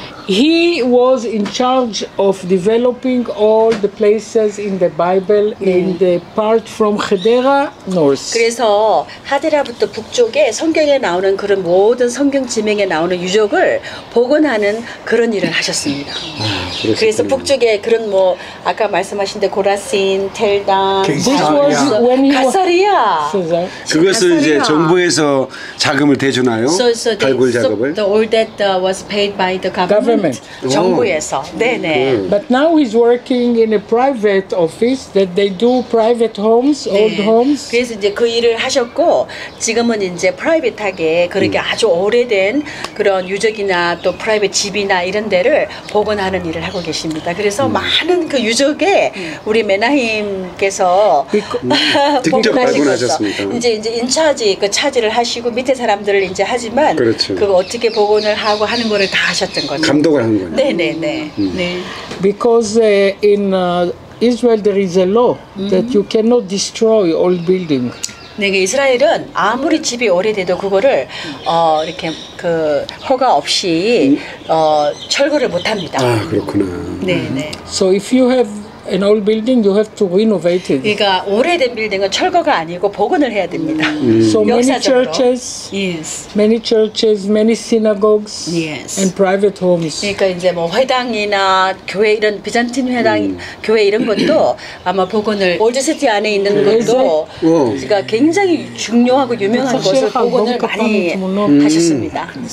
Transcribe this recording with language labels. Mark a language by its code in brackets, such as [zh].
[en] He was in charge of developing all the places in the Bible in the part from Hedera north. [ko] 그래서 하데라부터 북쪽에 성경에 나오는 그런 모든 성경 지명에 나오는 유적을 복원하는 그런 일을 하셨습니다. 아, 그래서 북쪽에 그런 뭐 아까 말씀하신 데 고라신, 텔단, 가사리아. 그것을 이제 정부에서 자금을 대주나요? 발굴 작업을? [en] The all that was paid by the government. [ko] 정부에서 네네. [en] But now he's working in a private office that they do private homes, old homes. [ko] 그래서 이제 그 일을 하셨고 지금은 이제 프라이빗하게 그렇게 아주 오래된 그런 유적이나 또 프라이빗 집이나 이런 데를 복원하는 일을 하고 계십니다. 그래서 많은 그 유적에 우리 메나힘께서 직접 발굴하셨습니다. 이제 인차지 그 차지를 하시고 밑에 사람들을 이제 하지만 그렇죠. 그 어떻게 복원을 하고 하는 거를 다 하셨던 거죠. 감독을 한 거죠. 네네네. [en] Because in Israel there is a law that you cannot destroy old building. [ko] 네, 이스라엘은 아무리 집이 오래돼도 그거를 이렇게 그 허가 없이 철거를 못합니다. 아, 그렇구나. 네, 네. [en] So if you have an old building, you have to renovate it. [ko] 그러니까 오래된 빌딩은 철거가 아니고 복원을 해야 됩니다. [en] So many churches, yes. Many churches, many synagogues, yes. And private homes. [ko] 그러니까 이제 뭐 회당이나 교회 이런 비잔틴 회당 교회 이런 것도 아마 복원을 올드 시티 안에 있는 것도 그러니까 굉장히 중요하고 유명한 곳을 복원을 많이 하셨습니다.